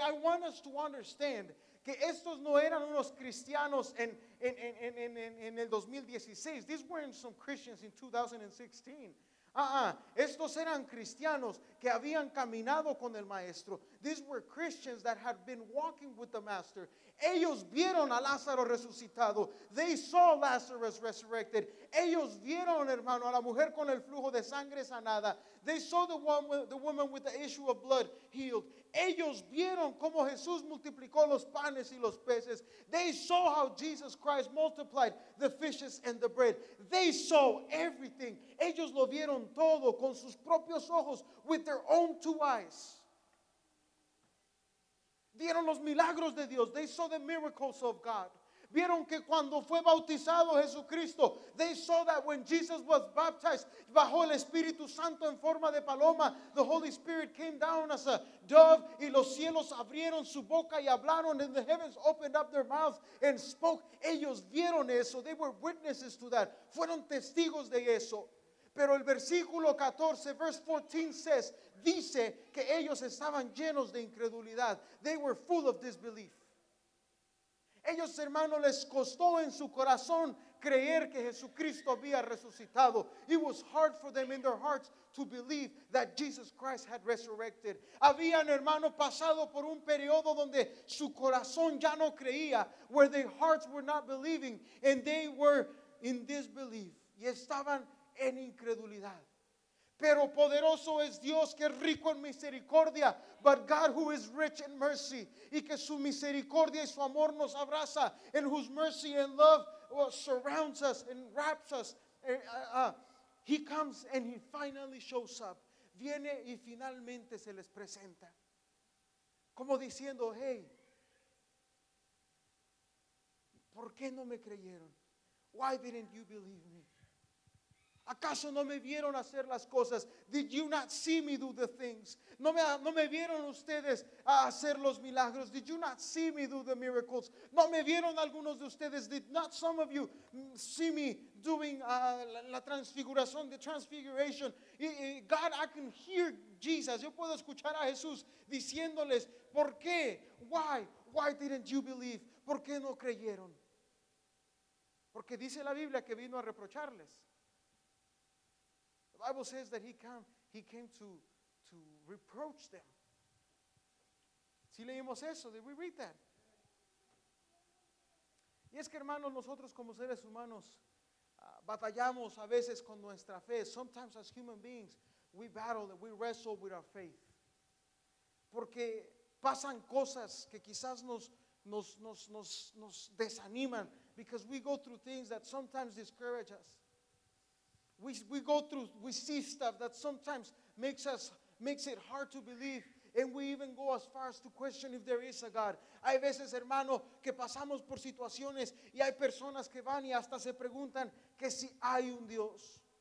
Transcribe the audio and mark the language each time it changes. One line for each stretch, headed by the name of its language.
English: I want us to understand
Spanish: que estos no eran unos cristianos en el 2016.
English: These weren't some Christians in 2016.
Spanish: Estos eran cristianos que habían caminado con el Maestro.
English: These were Christians that had been walking with the Master.
Spanish: Ellos vieron a Lázaro resucitado.
English: They saw Lazarus resurrected.
Spanish: Ellos vieron, hermano, a la mujer con el flujo de sangre sanada.
English: They saw the woman with the issue of blood healed.
Spanish: Ellos vieron cómo Jesús multiplicó los panes y los peces.
English: They saw how Jesus Christ multiplied the fishes and the bread. They saw everything.
Spanish: Ellos lo vieron todo con sus propios ojos,
English: with their own two eyes.
Spanish: Vieron los milagros de Dios.
English: They saw the miracles of God.
Spanish: Vieron que cuando fue bautizado Jesucristo,
English: they saw that when Jesus was baptized,
Spanish: bajó el Espíritu Santo en forma de paloma.
English: The Holy Spirit came down as a dove,
Spanish: y los cielos abrieron su boca y hablaron,
English: and the heavens opened up their mouths and spoke.
Spanish: Ellos vieron eso.
English: They were witnesses to that.
Spanish: Fueron testigos de eso. Pero el versículo 14,
English: verse 14 says,
Spanish: dice que ellos estaban llenos de incredulidad.
English: They were full of disbelief.
Spanish: Ellos, hermano, les costó en su corazón creer que Jesucristo había resucitado.
English: It was hard for them in their hearts to believe that Jesus Christ had resurrected.
Spanish: Habían, hermano, pasado por un periodo donde su corazón ya no creía,
English: where their hearts were not believing, and they were in disbelief.
Spanish: Y estaban en incredulidad. Pero poderoso es Dios, que es rico en misericordia,
English: but God who is rich in mercy,
Spanish: y que su misericordia y su amor nos abraza,
English: and whose mercy and love surrounds us and wraps us. He comes and he finally shows up.
Spanish: Viene y finalmente se les presenta. Como diciendo, hey, ¿por qué no me creyeron?
English: Why didn't you believe me?
Spanish: ¿Acaso no me vieron hacer las cosas?
English: Did you not see me do the things?
Spanish: ¿No me vieron ustedes a hacer los milagros?
English: Did you not see me do the miracles?
Spanish: ¿No me vieron algunos de ustedes?
English: Did not some of you see me doing
Spanish: la transfiguración,
English: the transfiguration? God, I can hear Jesus.
Spanish: Yo puedo escuchar a Jesús diciéndoles, ¿por qué?
English: Why? Why didn't you believe?
Spanish: ¿Por qué no creyeron? Porque dice la Biblia que vino a reprocharles.
English: The Bible says that he came to reproach them.
Spanish: ¿Sí leímos eso?
English: Did we read that?
Spanish: Y es que, hermanos, nosotros como seres humanos batallamos a veces con nuestra fe.
English: Sometimes as human beings, we battle and we wrestle with our faith.
Spanish: Porque pasan cosas que quizás nos desaniman.
English: Because we go through things that sometimes discourage us. We go through, we see stuff that sometimes makes it hard to believe, and we even go as far as to question if there is a God.
Spanish: Hay veces, hermano, que pasamos por situaciones y hay personas que van y hasta se preguntan que si hay un Dios.